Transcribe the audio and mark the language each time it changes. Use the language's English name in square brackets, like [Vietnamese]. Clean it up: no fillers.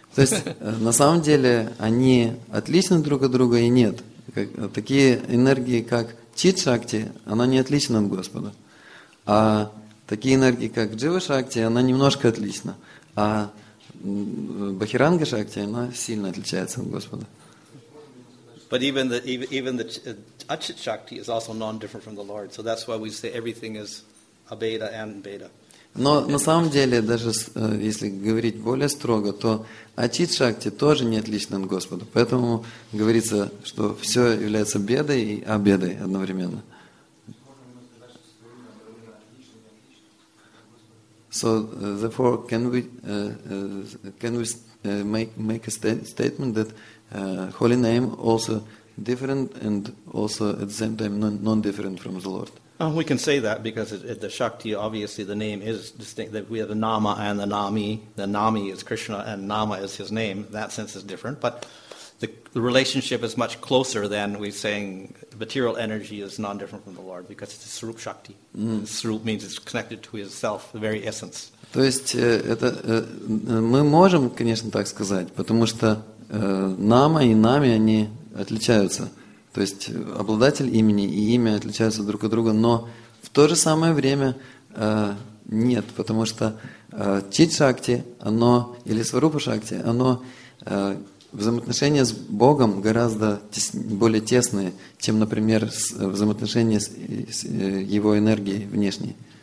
[Russian] То есть, на самом деле, они отличны друг от друга и нет. Такие энергии, как чит-шакти, она не отлична от Господа. А такие энергии, как джива-шакти, она немножко отлична. А Бахиранга Шакти, она сильно отличается от Господа. [English] But even the Achyut Shakti is also non-different from the Lord, so that's why we say everything is a beta and beta. [Russian] Но на самом деле, даже если говорить более строго, то Ачит Шакти тоже не отличен от Господа. Поэтому говорится, что все является бедой и обедой одновременно. [English] So, therefore, can we make a statement that Holy Name also different and also at the same time non-different from the Lord? We can say that because it, the Shakti, obviously the name is distinct, that we have the Nama and the Nami. The Nami is Krishna and Nama is his name. In that sense is different. But the relationship is much closer than we saying material energy is non-different from the Lord because it's Sarup Shakti. Mm. Sarup means it's connected to his self, the very essence. [Russian] То есть это мы можем, конечно, так сказать, потому что Нама и Нами, они отличаются. То есть обладатель имени и имя отличаются друг от друга, но в то же самое время нет, потому что Чит-шакти, оно, или Сварупа-шакти, оно взаимоотношения с Богом гораздо более тесные, чем, например, взаимоотношения с его энергией внешней.